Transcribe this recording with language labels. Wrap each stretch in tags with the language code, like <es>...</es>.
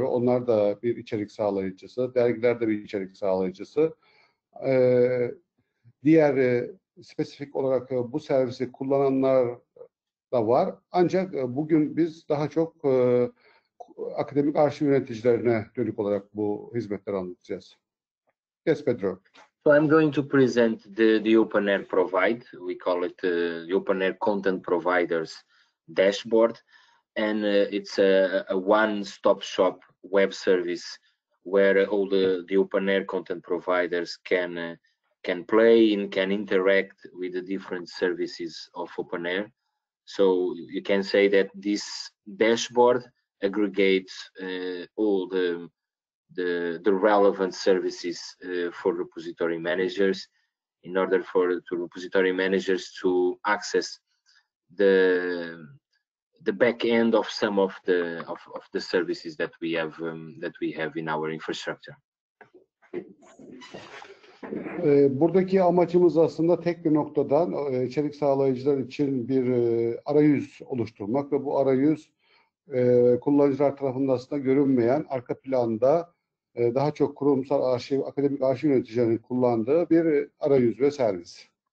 <tr>Onlar da bir içerik sağlayıcısı, dergilerde bir içerik sağlayıcısı. Diğer spesifik olarak bu servisi kullananlar da var. Ancak bugün biz daha çok akademik arşiv yöneticilerine dönük olarak bu hizmetleri anlatacağız.</tr> <en>Yes, Pedro. So I'm going to present the OpenAI provide. We call it the OpenAI Content Providers Dashboard, and it's a one-stop shop web service where all the OpenAI content providers can play and can interact with the different services of OpenAI. So you can say that this dashboard aggregates all the relevant services for repository managers in order for to repository managers to access the back end of some of the of the services that we have that we have in our infrastructure.</en> <tr>Buradaki amacımız aslında tek bir noktadan içerik sağlayıcılar için bir arayüz oluşturmak ve bu arayüz kullanıcılar tarafından aslında görünmeyen arka planda daha çok kurumsal arşiv, akademik arşiv yöneticilerinin kullandığı bir arayüz ve servis.</tr>